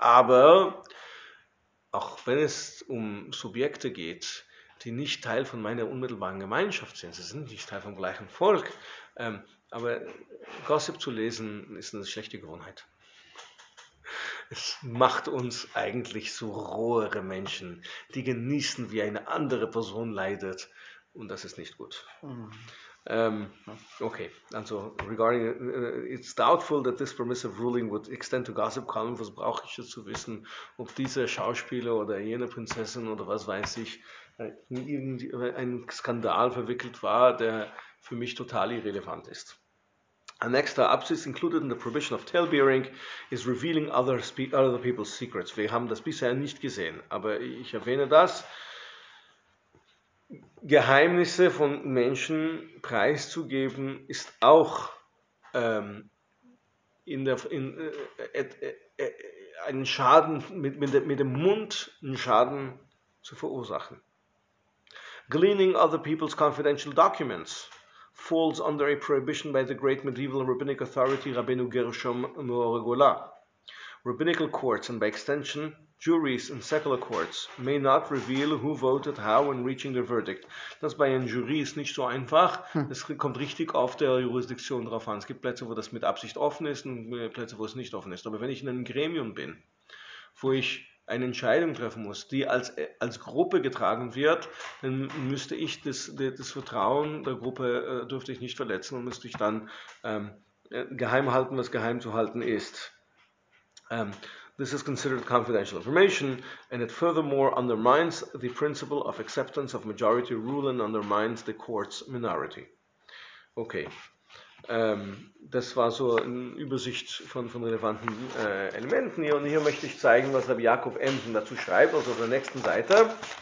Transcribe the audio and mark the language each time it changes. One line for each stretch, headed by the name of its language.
German: Aber auch wenn es um Subjekte geht, die nicht Teil von meiner unmittelbaren Gemeinschaft sind, sie sind nicht Teil vom gleichen Volk, aber Gossip zu lesen ist eine schlechte Gewohnheit. Es macht uns eigentlich so rohere Menschen, die genießen, wie eine andere Person leidet. Und das ist nicht gut.
English: Okay, also regarding, it's doubtful that this permissive ruling would extend to gossip column.
German: Was brauche ich jetzt zu wissen, ob dieser Schauspieler oder jene Prinzessin oder was weiß ich in irgendein Skandal verwickelt war, der für mich total irrelevant ist.
English: A next absence included in the prohibition of tale-bearing is revealing other people's secrets.
German: Wir haben das bisher nicht gesehen, aber ich erwähne das. Geheimnisse von Menschen preiszugeben, ist auch einen Schaden mit dem Mund einen Schaden zu verursachen.
English: Gleaning other people's confidential documents falls under a prohibition by the great medieval rabbinic authority Rabbeinu Gershom Moor Gola. Rabbinical courts and by extension juries in secular courts may not reveal who voted how in reaching their verdict.
German: Das bei einem Jury ist nicht so einfach. Es kommt richtig auf der Jurisdiktion drauf an. Es gibt Plätze, wo das mit Absicht offen ist und Plätze, wo es nicht offen ist. Aber wenn ich in einem Gremium bin, wo ich eine Entscheidung treffen muss, die als Gruppe getragen wird, dann müsste ich das Vertrauen der Gruppe dürfte ich nicht verletzen und müsste ich dann geheim halten, was geheim zu halten ist.
English: This is considered confidential information, and it furthermore undermines the principle of acceptance of majority rule and undermines the court's minority.
German: Okay, das war so eine Übersicht von relevanten Elementen hier, und hier möchte ich zeigen, was der Jakob Emsen dazu schreibt, also auf der nächsten Seite.